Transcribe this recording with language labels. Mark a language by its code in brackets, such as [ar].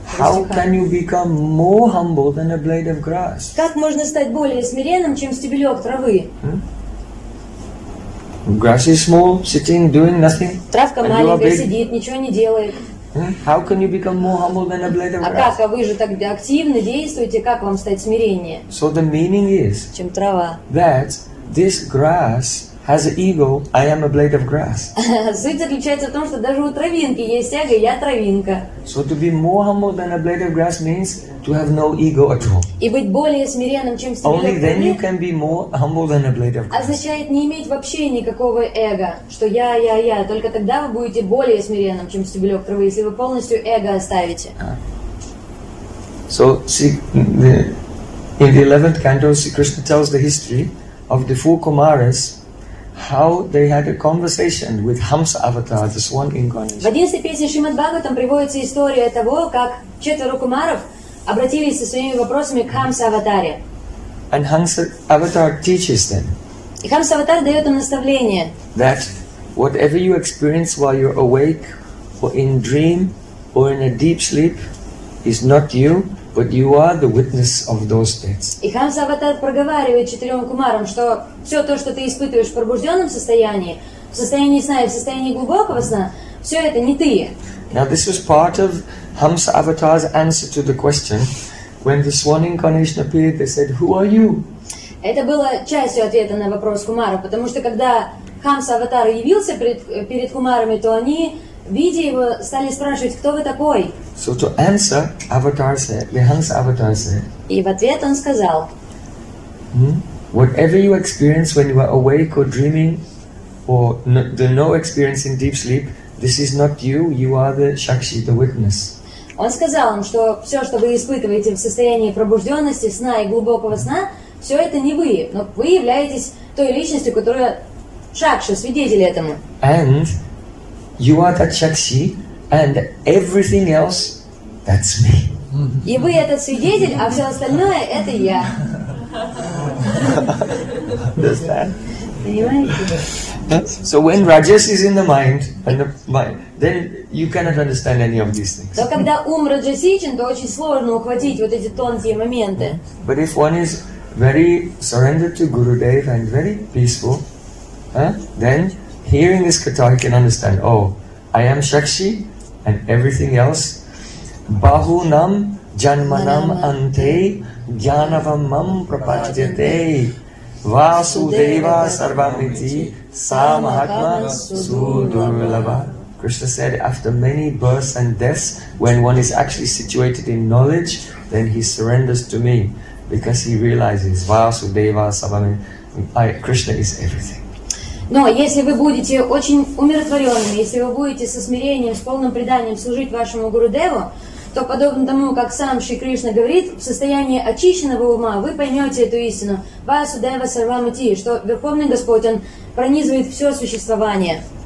[en] How can you become more humble than a blade of grass? [ru] Как можно стать более смиренным, чем стебелек травы? [en] Grass is small, sitting, doing nothing. [ru] Травка маленькая, сидит, ничего не делает. [en] How can you become more humble than a blade of grass? [ru] А как, а вы же так активно действуете, как вам стать смиреннее? [en] So the meaning is, [ru] чем трава. [en] That this grass has an ego, I am a blade of grass. [ru] Суть заключается в том, что даже у травинки есть эго, я травинка. [en] So to be more humble than a blade of grass means to have no ego at all. [ru] И быть более смиренным, чем стебелек. [en] Only then you can be more humble than a blade of grass. [ru] Означает не иметь вообще никакого эго, что я. Только тогда вы будете более смиренным, чем стебелек травы, если вы полностью эго оставите. [en] So see, in the 11th canto, Krishna tells the history of the four Kumaras. How they had a conversation with Hamsa avatar, the swan incarnation. [ru] В 11 песне Шримад Бхагаватам приводится история того, как четверо кумаров обратились со своими вопросами к Хамса аватаре. [en] And Hamsa avatar teaches them. [ru] И Хамса аватар дает им наставление. [en] That whatever you experience while you're awake, or in dream, or in a deep sleep, is not you. But you are the witness of those states. [ru] И Хамса аватар проговаривает четырем кумарам, что все то, что ты испытываешь в пробужденном состоянии, в состоянии сна и в состоянии глубокого сна, все это не ты. [en] Now this was part of Hamsa avatar's answer to the question, when the swan incarnation appeared, they said, "Who are you?" [ru] Это было частью ответа на вопрос кумара, потому что когда Хамса аватар явился перед кумарами, то они видя его, стали спрашивать, кто вы такой? [en] So to answer, Avatar said, the Hans Avatar said. [ru] И в ответ он сказал. [en] Whatever you experience when you are awake or dreaming, or the no experience in deep sleep, this is not you. You are the Shakshi, the witness. [ru] Он сказал им, что все, что вы испытываете в состоянии пробужденности, сна и глубокого сна, все это не вы, но вы являетесь той личностью, которая Шакши, свидетель этому. [en] And you are that Shakshi, and everything else, that's me. [ru] И вы этот свидетель, а все остальное — это я. [en] Understand? [ru] Понимаете? [en] So when Rajas is in the mind, and the mind, then you cannot understand any of these things. [ru] Но когда ум раджасичен, то очень сложно ухватить вот эти тонкие моменты. [en] But if one is very surrendered to Gurudev and very peaceful, then hearing this katha, you can understand, oh, I am Shakshi and everything else. [sa] Bahu nam janmanam ante jnanavam mam prapachyate vasudeva sarvamiti samahatma sudurlava. [en] Krishna said, after many births and deaths, when one is actually situated in knowledge, then he surrenders to me because he realizes [sa] vasudeva sarvamiti. [en] Krishna is everything. [ru] Но если вы будете очень умиротворенными, если вы будете со смирением, с полным преданием служить вашему Гурудеву, то подобно тому, как сам Шри Кришна говорит, в состоянии очищенного ума вы поймете эту истину, Васудева Сарвамати, что Верховный Господь, Он пронизывает все существование.